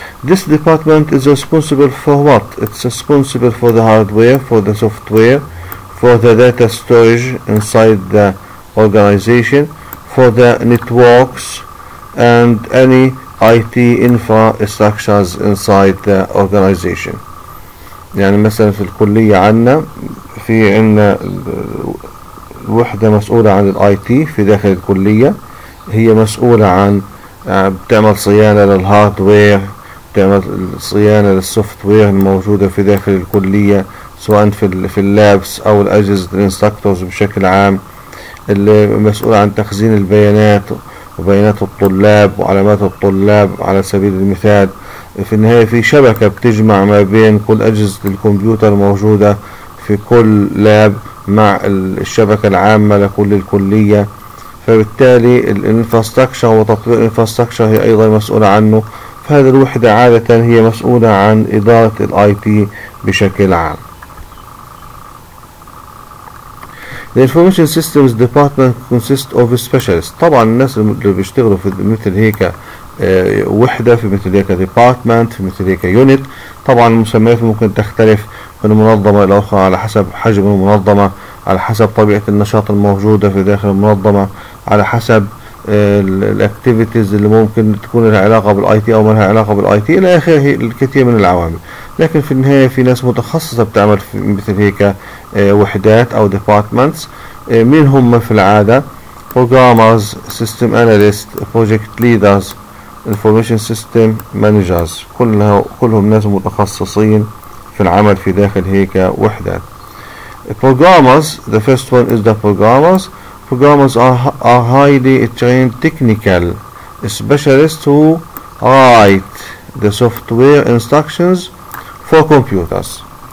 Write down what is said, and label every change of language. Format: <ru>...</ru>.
<en>This department is responsible for what? It's responsible for the hardware, for the software, for the data storage inside the organization, for the networks, and any IT infrastructures inside the organization.</en> <ar>يعني مثلا في الكلية عنا في عنا وحدة مسؤولة عن IT في داخل الكلية، هي مسؤولة عن بتعمل صيانة للهاردوير، بتعمل صيانة للسوفتوير الموجودة في داخل الكلية، سواء في اللابس أو الأجهزة الانستركتورز بشكل عام، اللي مسؤولة عن تخزين البيانات وبيانات الطلاب وعلامات الطلاب على سبيل المثال. في النهاية في شبكة بتجمع ما بين كل أجهزة الكمبيوتر الموجودة في كل لاب مع الشبكة العامة لكل الكلية، فبالتالي الانفراستراكشر وتطوير الانفراستراكشر هي أيضا مسؤولة عنه. فهذه الوحدة عادة هي مسؤولة عن إدارة الاي تي بشكل عام.</ar> <en>The Information Systems Department consists of specialists.</en> <ar>طبعا الناس اللي بيشتغلوا في مثل هيك وحدة، في مثل هيك department، في مثل هيك unit، طبعا المسميات ممكن تختلف من منظمة إلى أخرى على حسب حجم المنظمة، على حسب طبيعة النشاط الموجودة في داخل المنظمة، على حسب الاكتيفيتيز اللي ممكن تكون لها علاقة بالاي تي أو ما لها علاقة بالاي تي إلى آخره، الكثير من العوامل. لكن في النهاية في ناس متخصصة بتعمل في مثل هيك وحدات أو departments. مين هم في العادة؟</ar> <en>programmers, system analysts, project leaders, information system managers.</en> <ar>كلهم ناس متخصصين في العمل في داخل هيك وحدات.</ar> <en>programmers, the first one is the programmers. Programmers are highly trained technical specialists who write the software instructions for computers.</en>